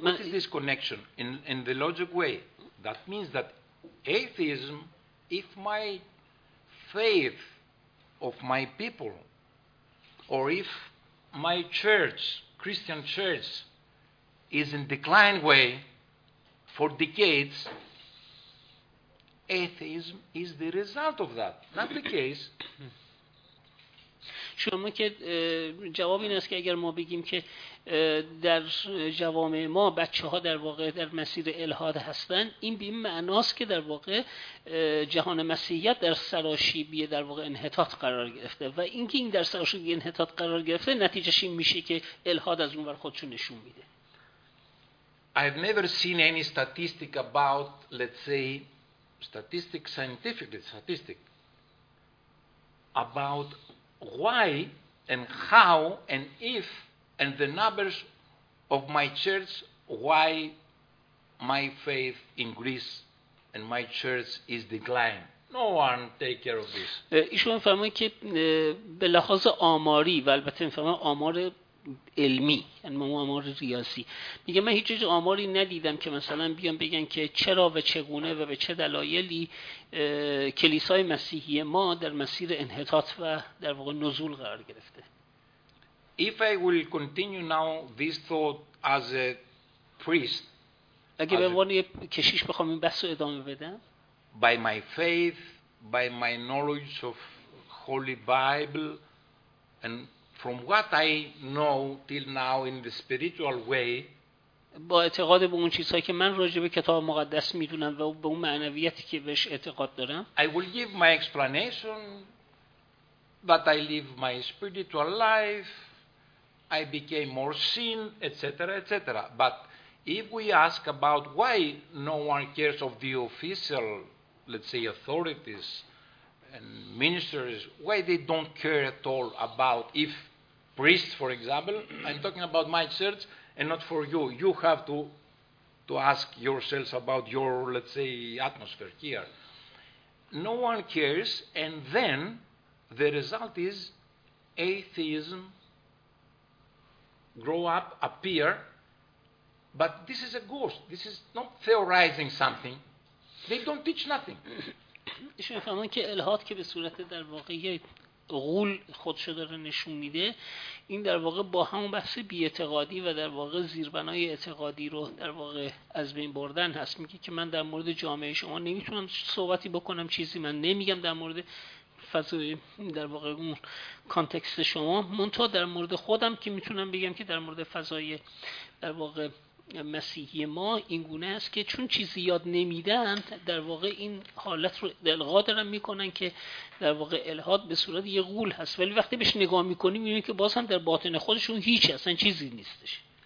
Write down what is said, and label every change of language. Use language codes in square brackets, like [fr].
[en] what is this connection in the logic way? That means that atheism, if my faith of my people or if my church, Christian church, is in decline way for decades, atheism is the result of that, not the case. [fa] شما که جواب این است که اگر ما بگیم که در جوامع ما بچه ها در واقع در مسیر الحاد هستن این به این معناست که در واقع جهان مسیحیت در سراشیبی در واقع انحطاط قرار گرفته و اینکه این در سراشیبی انحطاط قرار گرفته نتیجهش این میشه که الحاد از اون ور خودشون نشون میده. [en] I've never seen any statistic about, let's say, statistic, scientifically statistic, about why and how and if and the numbers of my church, why my faith in Greece and my church is declined. No one take care of this. [fa] ایشون فرمود که به لحاظ آماری و البته فرمود آمار علمی یعنی آمار ریاضی میگه من هیچ آماری ندیدم که مثلا بیان بگن که چرا و چگونه و به چه دلایلی کلیسای مسیحی ما در مسیر انحطاط و در واقع نزول قرار گرفته. [en] If I will continue now this thought as a priest, [fa] اگه به عنوان یه کشیش بخوام این بحث رو ادامه بدم, [en] by my faith, by my knowledge of Holy Bible and from what I know till now in the spiritual way, [fa] با اعتقاد به اون چیزهایی که من راجع به کتاب مقدس میدونم و به اون معنویتی که بهش اعتقاد دارم, [en] I will give my explanation that I live my spiritual life, I became more sin, etc., etc. But if we ask about why no one cares of the official, let's say, authorities and ministers, why they don't care at all about if priests, for example, I'm talking about my church and not for you. You have to ask yourselves about your, let's say, atmosphere here. No one cares, and then the result is atheism grow up, appear, but this is a ghost. This is not theorizing something. They don't teach nothing. [fa] شما فهمون که الهات که به صورت در واقعی غول خودشو داره نشون میده، این در واقع با همون بحث بی‌اعتقادی و در واقع زیربنای اعتقادی رو در واقع از بین بردن هست. میگه که من در مورد جامعه شما نمیتونم صحبتی بکنم، چیزی من نمیگم در مورد فضای در واقع اون کانتکست شما، منتها در مورد خودم که میتونم بگم که در مورد فضای در واقع مسیحی ما این گونه است که چون چیزی یاد نمیدن در واقع این حالت رو الغا دارن میکنن که در واقع الحاد به صورت یه غول هست، ولی وقتی بهش نگاه میکنیم میبینیم که باز هم در باطن خودشون هیچ اصلا چیزی نیستش.